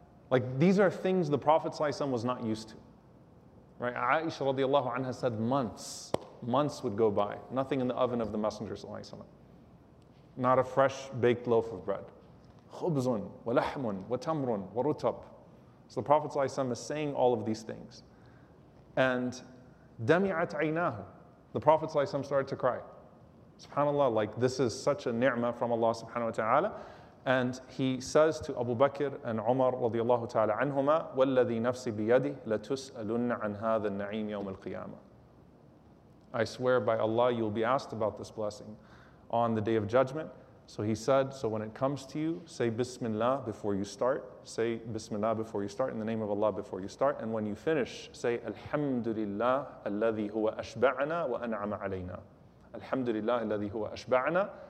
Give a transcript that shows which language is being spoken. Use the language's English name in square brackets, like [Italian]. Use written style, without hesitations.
[English] Like, these are things the Prophet ﷺ was not used to, right? Aisha radiallahu anha said months would go by, nothing in the oven of the Messenger ﷺ. Not a fresh baked loaf of bread. [Arabic] خُبْزٌ وَلَحْمٌ وَتَمْرٌ وَرُتَبٌ. [English] So the Prophet ﷺ is saying all of these things. And [Arabic] دَمِعَتْ عَيْنَاهُ. [English] The Prophet ﷺ started to cry. SubhanAllah, like, this is such a ni'mah from Allah subhanahu wa ta'ala. And he says to Abu Bakr and Umar radiallahu ta'ala anhuma, [Arabic] وَالَّذِي نَفْسِ بِيَدِهِ لَتُسْأَلُنَّ عَنْ هَذَا النَّعِيمِ يَوْمَ الْقِيَامَةِ. [English] I swear by Allah, you'll be asked about this blessing on the Day of Judgment. So he said, so when it comes to you, say Bismillah before you start. Say Bismillah before you start, in the name of Allah before you start. And when you finish, say Alhamdulillah [Arabic] الَّذِي هُوَ أَشْبَعَنَا وَأَنْعَمَ عَلَيْنَا. Alhamdulillah الَّذِي هُوَ أَشْبَعَنَا.